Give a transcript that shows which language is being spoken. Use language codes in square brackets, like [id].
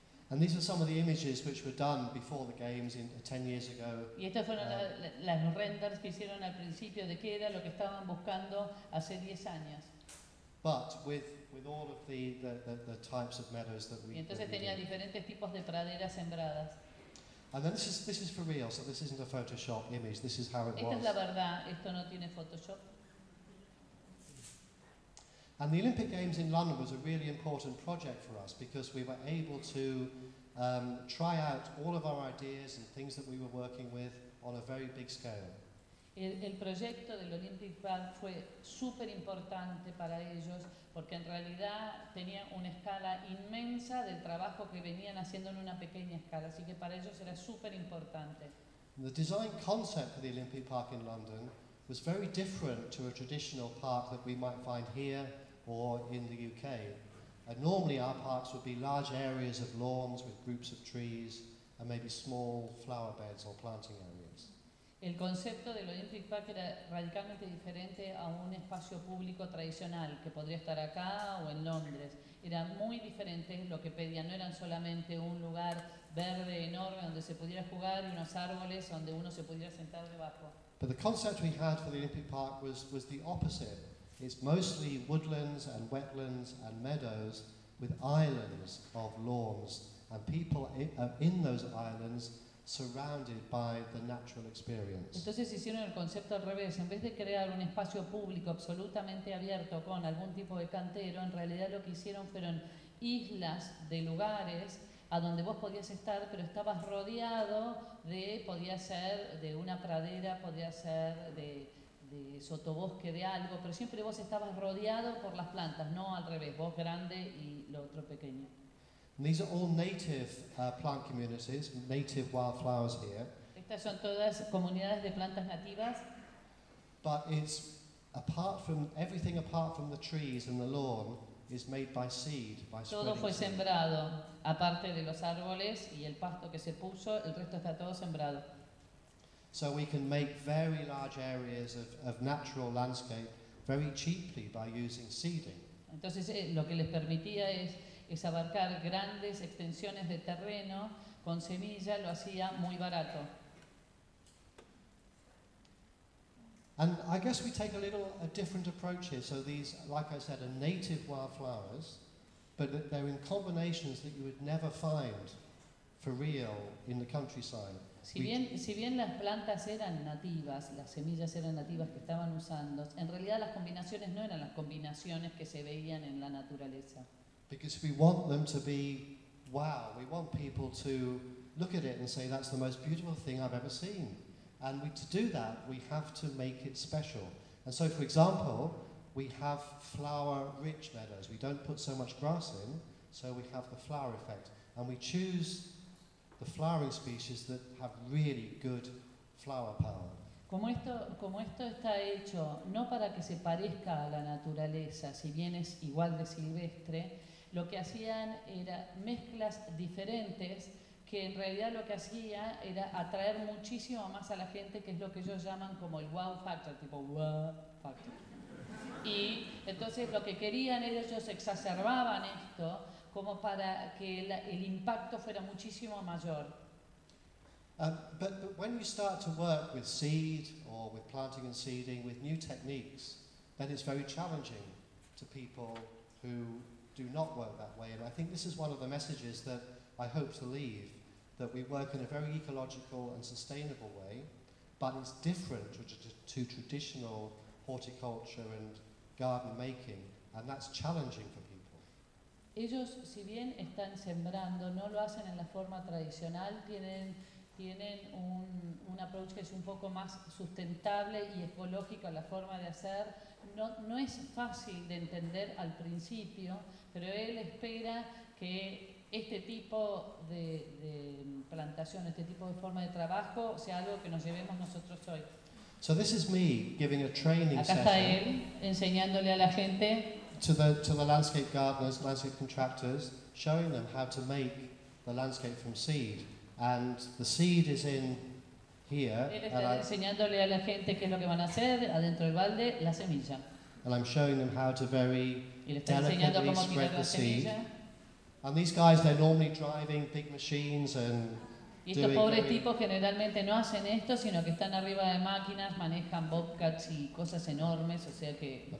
[en] And these are some of the images which were done before the games in 10 years ago. [es] Y estas fueron las renders que hicieron al principio de qué era lo que estaban buscando hace 10 años. [en] But with all of the types of meadows that we did. [es] Y entonces tenía diferentes tipos de praderas sembradas. [en] And then this is for real, so this isn't a Photoshop image. This is how it was. [es] Esta es la verdad, esto no tiene Photoshop. [en] And the Olympic Games in London was a really important project for us because we were able to try out all of our ideas and things that we were working with on a very big scale. [es] El proyecto del Olympic Park fue súper importante para ellos porque en realidad tenía una escala inmensa del trabajo que venían haciendo en una pequeña escala, así que para ellos era súper importante. [en] The design concept for the Olympic Park in London was very different to a traditional park that we might find here or in the UK. And normally our parks would be large areas of lawns with groups of trees and maybe small flower beds or planting areas. [es] El concepto del Olympic Park era radicalmente diferente a un espacio público tradicional que podría estar acá o en Londres. Era muy diferente lo que pedían, no eran solamente un lugar verde enorme donde se pudiera jugar y unos árboles donde uno se pudiera sentar debajo. [en] But the concept we had for the Olympic Park was the opposite. It's mostly woodlands and wetlands and meadows with islands of lawns and people in those islands surrounded by the natural experience. [es] Entonces hicieron el concepto al revés. En vez de crear un espacio público absolutamente abierto con algún tipo de cantero, en realidad lo que hicieron fueron islas de lugares a donde vos podías estar, pero estabas rodeado de, podía ser de una pradera, podía ser de sotobosque, de algo, pero siempre vos estabas rodeado por las plantas, no al revés, vos grande y lo otro pequeño. [en] These are all native plant communities, native wildflowers here. [es] Estas son todas comunidades de plantas nativas. [en] But it's apart from everything apart from the trees and the lawn is made by seed, by spreading. [es] Todo fue sembrado, aparte de los árboles y el pasto que se puso, el resto está todo sembrado. [en] So we can make very large areas of natural landscape very cheaply by using seeding. [es] Entonces lo que les permitía es abarcar grandes extensiones de terreno con semilla, lo hacía muy barato. [en] And I guess we take a little a different approach here. So these, like I said, are native wildflowers, but they're in combinations that you would never find for real in the countryside. [es] Si bien las plantas eran nativas, las semillas eran nativas que estaban usando, en realidad las combinaciones no eran las combinaciones que se veían en la naturaleza. [en] Because we want them to be wow, we want people to look at it and say that's the most beautiful thing I've ever seen. And we, to do that, we have to make it special. And so, for example, we have flower-rich meadows. We don't put so much grass in, so we have the flower effect. And we choose the flowering species that have really good flower power. [es] Como esto está hecho, no para que se parezca a la naturaleza, si bien es igual de silvestre, lo que hacían era mezclas diferentes que en realidad lo que hacía era atraer muchísimo más a la gente, que es lo que ellos llaman como el wow factor, tipo wow factor. Y entonces lo que querían era, ellos exacerbaban esto como para que el impacto fuera muchísimo mayor. [en] But when you start to work with seed or with planting and seeding with new techniques, then it's very challenging to people who do not work that way. And I think this is one of the messages that I hope to leave, that we work in a very ecological and sustainable way, but it's different to traditional horticulture and garden making, and that's challenging for people. [es] Ellos, si bien están sembrando, no lo hacen en la forma tradicional, tienen un approach que es un poco más sustentable y ecológico en la forma de hacer. No es fácil de entender al principio, pero él espera que este tipo de plantación, este tipo de forma de trabajo, sea algo que nos llevemos nosotros hoy. [en] So this is me giving a training session. [es] Acá está él enseñándole a la gente. [en] To the landscape gardeners, landscape contractors, showing them how to make the landscape from seed, and the seed is in here. [es] Él está enseñándole a la gente qué es lo que van a hacer adentro del balde, la semilla. [en] And I'm showing them how to very delicately spread the seed. And these guys, they're normally driving big machines and [es] y estos pobres tipos generalmente no hacen esto, sino que están arriba de máquinas, manejan bobcats y cosas enormes, o sea que